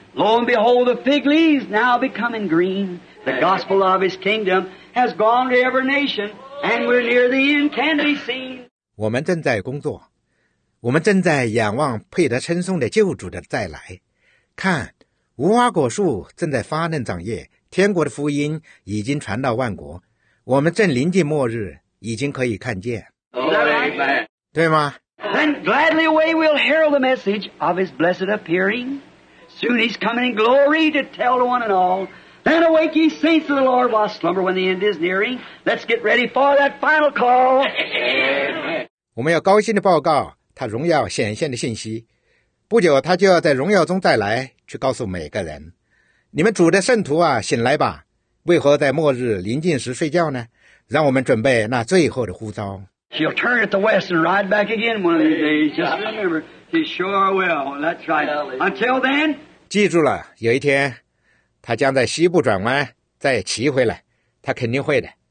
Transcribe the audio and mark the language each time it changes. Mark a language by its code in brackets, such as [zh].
[en] Lo and behold, the fig leaves now becoming green. The gospel of His kingdom has gone to every nation. And we're near the end, can be seen. [zh] 我们正在工作，我们正在仰望配得称颂的救主的再来。看，无花果树正在发嫩长叶，天国的福音已经传到万国。我们正临近末日，已经可以看见。对吗？ [en] Then gladly away we'll herald the message of His blessed appearing. Soon He's coming in glory to tell to one and all. Then awake ye saints of the Lord while slumber when the end is nearing. Let's get ready for that final call. [zh] 我们要高兴地报告他荣耀显现的信息。不久他就要在荣耀中再来，去告诉每个人。你们主的圣徒啊，醒来吧。为何在末日临近时睡觉呢？让我们准备那最后的呼召。 [en] She'll turn at the west and ride back again one of these days. Just remember, she sure will. That's right. Until then. [zh] 记住了，有一天。他将在西部转弯，再骑回来，他肯定会的。